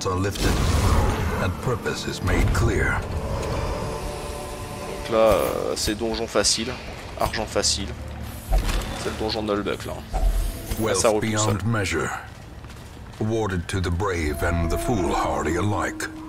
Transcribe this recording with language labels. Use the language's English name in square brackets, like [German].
[English] Are lifted, and purpose is made clear. [French] Donc là, c'est donjon facile, argent facile. C'est le donjon Nullbuck là. Ouais, ça roule tout seul. [English] Awarded to the brave and the foolhardy alike.